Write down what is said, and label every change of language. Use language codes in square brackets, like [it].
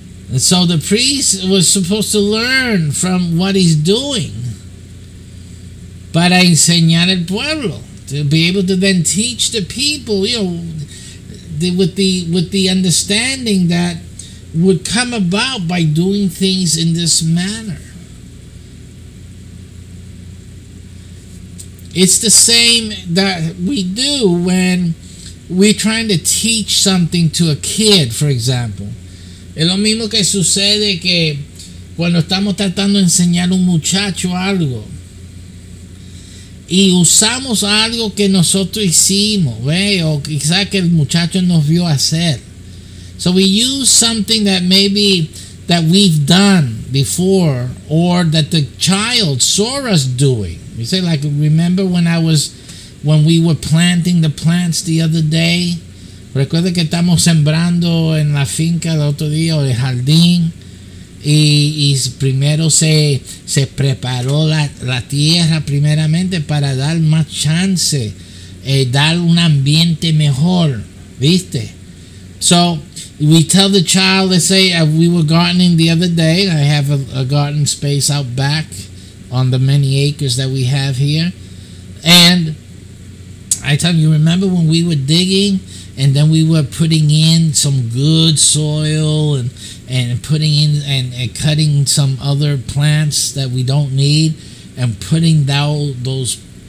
[en] And so the priest was supposed to learn from what he's doing [es] para enseñar el pueblo, [en] to be able to then teach the people, with the understanding that would come about by doing things in this manner. It's the same that we do when we're trying to teach something to a kid, for example. [es] Es lo mismo que sucede que cuando estamos tratando de enseñar a un muchacho algo y usamos algo que nosotros hicimos, o quizás que el muchacho nos vio hacer. [en] So we use something that maybe that we've done before or that the child saw us doing. You say, like, remember when we were planting the plants the other day? [es] Recuerda que estamos sembrando en la finca el otro día, o el jardín, y primero se preparó la tierra primeramente para dar más chance, dar un ambiente mejor, ¿viste? [en] So we tell the child, let's say we were gardening the other day. I have a garden space out back on the many acres that we have here. And I tell you, remember when we were digging and then we were putting in some good soil and cutting some other plants that we don't need and putting those